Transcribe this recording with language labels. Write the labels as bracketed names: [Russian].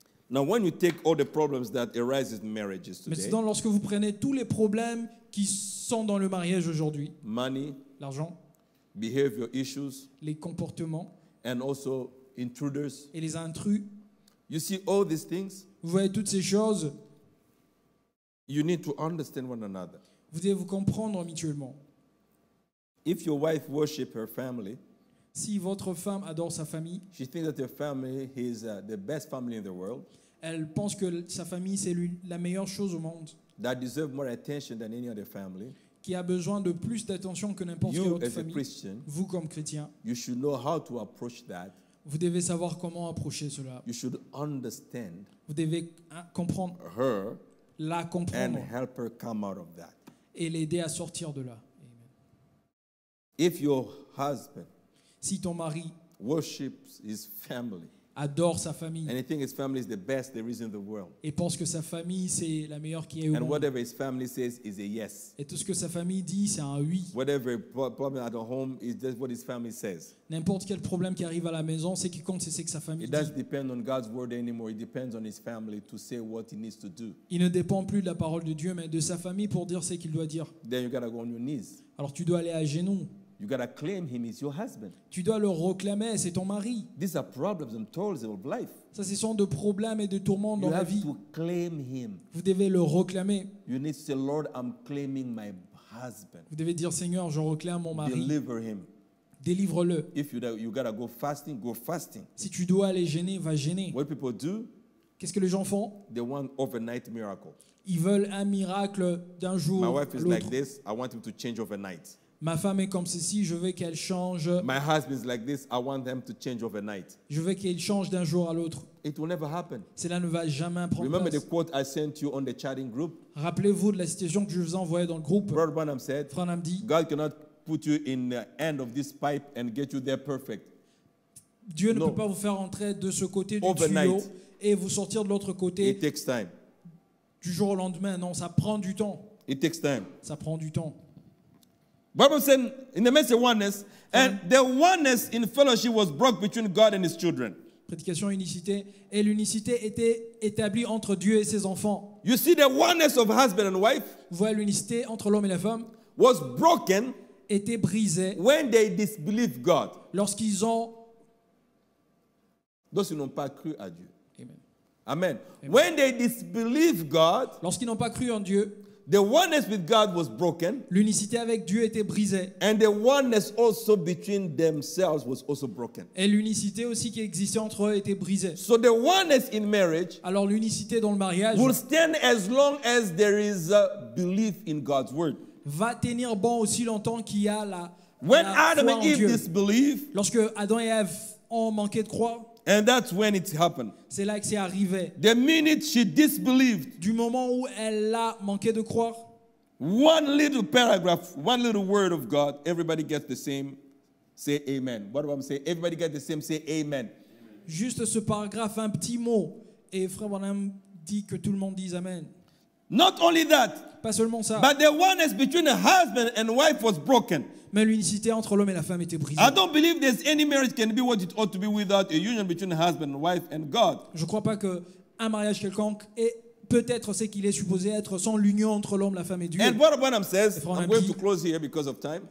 [English] Now, when you take all the problems that arise in marriages today. [French] Mais c'est dans lorsque vous prenez tous les problèmes qui sont dans le mariage aujourd'hui. [English] Money. [French] L'argent, [English] behavior issues, [French] les comportements, [English] and also intruders, [French] et les intrus. [English] You see all these things. [French] Vous voyez toutes ces choses. [English] You need to understand one another. [French] Vous devez vous comprendre mutuellement. [English] If your wife worships her family, [French] si votre femme adore sa famille, [English] she thinks that her family is the best family in the world. [French] Elle pense que sa famille c'est la meilleure chose au monde. [English] That deserves more attention than any other family. [French] Qui a besoin de plus d'attention que n'importe [English] you, [French] quelle autre famille. Vous, comme chrétien, [English] you should know how to approach that. [French] Vous devez savoir comment approcher cela. [English] You should understand, [French] vous devez comprendre [English] her, [French] la comprendre, [English] and help her come out of that. [French] Et l'aider à sortir de là. Amen. [English] If your husband, [French] si ton mari [English] worships his family, [French] adore sa famille, [English] and he thinks his family is the best there is in the world, [French] et pense que sa famille c'est la meilleure qui est au [English] monde, and whatever his family says is a yes, [French] et tout ce que sa famille dit c'est un oui, [English] whatever problem at home is just what his family says, [French] n'importe quel problème qui arrive à la maison, ce qui compte c'est que sa famille [English] it doesn't depend on God's word anymore, it depends on his family to say what he needs to do. [French] Il ne dépend plus de la parole de Dieu mais de sa famille pour dire ce qu'il doit dire. [English] Then you gotta go on your knees. [French] Alors tu dois aller à genoux. [English] You gotta claim him as your husband. [French] Tu dois le réclamer, c'est ton mari. [English] These are problems and toils of life. [French] Ça, ce sont de problèmes et de tourments dans la vie. [English] You have to claim him. [French] Vous devez le réclamer. [English] You need to say, Lord, I'm claiming my husband. [French] Vous devez dire, Seigneur, je réclame mon mari. [English] Deliver him. [French] Délivre-le. [English] If you gotta go fasting, go fasting. [French] Si tu dois aller jeûner, va jeûner. [English] What people do? [French] Qu'est-ce que les gens font? [English] They want overnight miracle. [French] Ils veulent un miracle d'un jour. [English] My wife is like this. I want him to change overnight. [French] Ma femme est comme ceci, je veux qu'elle change. [English] My husband is like this, I want them to change overnight. [French] Je veux qu'il change d'un jour à l'autre. [English] It will never happen. [French] Cela ne va jamais prendre [English] remember [French] place. [English] The quote I sent you on the chatting group? [French] Rappelez-vous de la citation que je vous ai envoyée dans le groupe. [English] Brother Branham said, [French] Branham dit, [English] God cannot put you in the end of this pipe and get you there perfect. [French] Dieu ne peut pas vous faire entrer de ce côté du [English] overnight. [French] Tuyau et vous sortir de l'autre côté. [English] It takes time. [French] Du jour au lendemain, non, ça prend du temps. [English] It takes time. [French] Ça prend du temps. [English] Bible said in the message oneness, and the oneness in fellowship was broke between God and His children. [French] Prédication unicité et l'unicité était établie entre Dieu et ses enfants. [English] You see the oneness of husband and wife. [French] Vous voyez l'unité entre l'homme et la femme. [English] Was broken. [French] Était brisé. [English] When they disbelieved God. [French] Lorsqu'ils ont. Lorsqu'ils n'ont pas cru à Dieu. Amen. [English] Amen. When they disbelieved God. [French] Lorsqu'ils n'ont pas cru en Dieu. [English] The oneness with God was broken. [French] L'unicité avec Dieu était brisée. [English] And the oneness also between themselves was also broken. [French] Et l'unicité aussi qui existait entre eux était brisée. [English] So the oneness in marriage. [French] Alors l'unicité dans le mariage. [English] Will stand as long as there is a belief in God's word. [French] Va tenir bon aussi longtemps qu'il y a la. [English] When [French] la foi [English] Adam and Eve [French] Dieu. [English] Disbelieved. [French] Lorsque Adam et Ève ont manqué de croire. [English] And that's when it happened. [French] C'est là que c'est arrivé. [English] The minute she disbelieved. [French] Du moment où elle a manqué de croire. [English] One little paragraph, one little word of God, everybody gets the same, say amen. What do I say? Everybody gets the same, say amen. [French] Juste ce paragraphe, un petit mot, et Frère Branham dit que tout le monde dise amen. [English] Not only that. [French] Pas seulement ça. [English] But the oneness between the husband and wife was broken. [French] Mais l'unicité entre l'homme et la femme était brisée. [English] I don't believe there's any marriage can be what it ought to be without a union between husband and wife and God. [French] Je crois pas que un mariage quelconque est peut-être ce qu'il est supposé être sans l'union entre l'homme, la femme et Dieu. [English] And what Abraham says, I'm going to close here because of time.